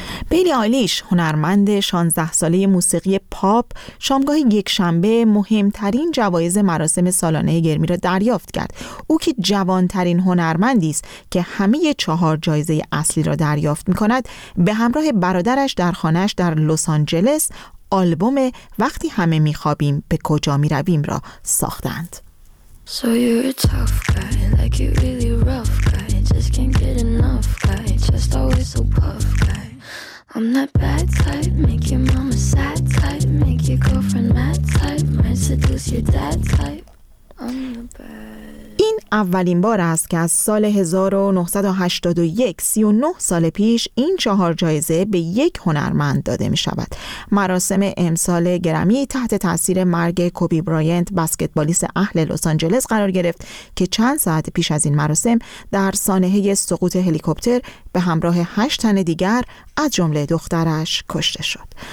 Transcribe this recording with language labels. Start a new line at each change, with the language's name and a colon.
Persian: بیلی آیلیش، هنرمند 16 ساله موسیقی پاپ، شامگاه یک شنبه مهمترین جوایز مراسم سالانه گرمی را دریافت کرد. او که جوانترین هنرمندی است که همه 4 جایزه اصلی را دریافت می‌کند، به همراه برادرش در خانه‌اش در لس‌آنجلس آلبوم وقتی همه می‌خوابیم به کجا می‌رویم را ساختند.
English: So you're a tough guy, like you're really rough guy, just can't get enough guy, just always so puff guy. I'm that bad type, make your mama sad type, make your girlfriend mad type, might seduce your dad type. I'm the bad.
Persian: این اولین بار است که از سال 1981، 39 سال پیش، این 4 جایزه به یک هنرمند داده می شود. مراسم امسال گرمی تحت تأثیر مرگ کوبی براینت، بسکتبالیست اهل لس‌آنجلس، قرار گرفت که چند ساعت پیش از این مراسم در سانحه سقوط هلیکوپتر به همراه 8 تن دیگر از جمله دخترش کشته شد.